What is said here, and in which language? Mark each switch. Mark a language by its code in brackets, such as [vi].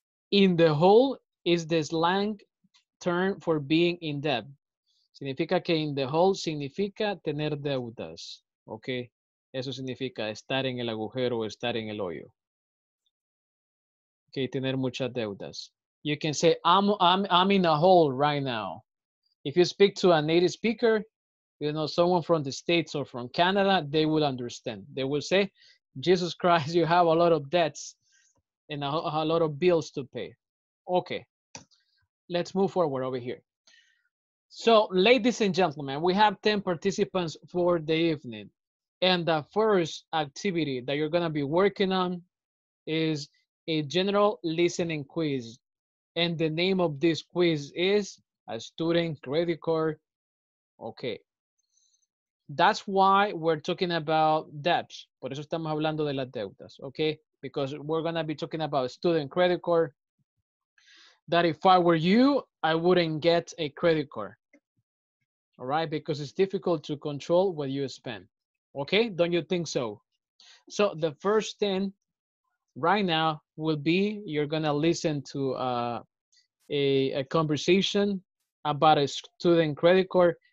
[en] In the hole is the slang term for being in debt. [es] Significa que [en] in the hole [es] significa tener deudas. Okay. Eso significa estar en el agujero o estar en el hoyo. Okay. Tener muchas deudas. [en] You can say, I'm in a hole right now. If you speak to a native speaker, you know, someone from the States or from Canada, they will understand. They will say, Jesus Christ, you have a lot of debts and a lot of bills to pay. Okay, let's move forward over here. So, ladies and gentlemen, we have 10 participants for the evening. And the first activity that you're going to be working on is a general listening quiz. And the name of this quiz is a student credit card. Okay. That's why we're talking about debts. [es] Por eso estamos hablando de las deudas, okay? [en] Because we're going to be talking about student credit card. That if I were you, I wouldn't get a credit card. All right? Because it's difficult to control what you spend. Okay? Don't you think so? So the first thing right now will be you're going to listen to a conversation about a student credit card.